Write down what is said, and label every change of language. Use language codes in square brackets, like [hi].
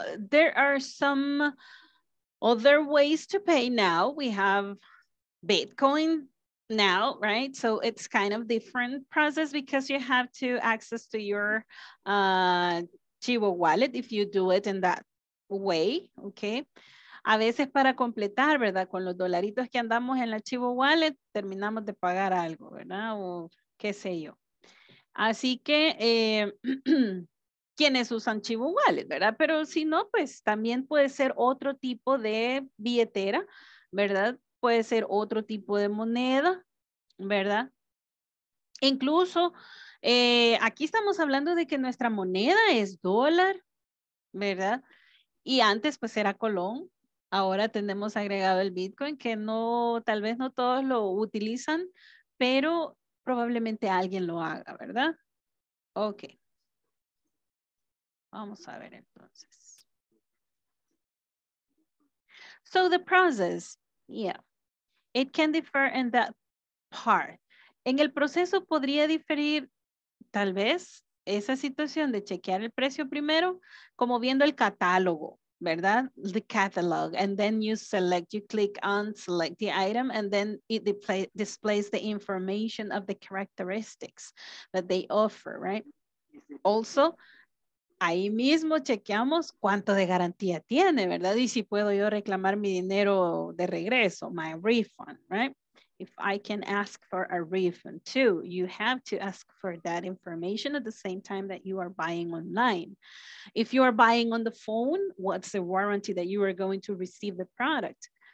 [en] There are some other ways to pay now. We have Bitcoin now, right? So it's kind of different process because you have to access to your Chivo wallet if you do it in that way, okay? [es] A veces para completar, ¿verdad? Con los dolaritos que andamos en la Chivo wallet, terminamos de pagar algo, ¿verdad? O qué sé yo. Así que, quienes usan Chivo Wallet, ¿verdad? Pero si no, pues también puede ser otro tipo de billetera, ¿verdad? Puede ser otro tipo de moneda, ¿verdad? Incluso, aquí estamos hablando de que nuestra moneda es dólar, ¿verdad? Y antes pues era colón, ahora tenemos agregado el Bitcoin, que no, tal vez no todos lo utilizan, pero probablemente alguien lo haga, ¿verdad? Ok. Vamos a ver entonces. [en] So the process, yeah, it can differ in that part. [es] En el proceso podría diferir tal vez esa situación de chequear el precio primero, como viendo el catálogo, ¿verdad? [en] The catalog, and then you select, you click on select the item, and then it displays the information of the characteristics that they offer, right? [es] Also, ahí mismo chequeamos cuánto de garantía tiene, ¿verdad? Y si puedo yo reclamar mi dinero de regreso, [en] my refund, right? If I can ask for a refund too, you have to ask for that information at the same time that you are buying online. If you are buying on the phone, what's the warranty that you are going to receive the product?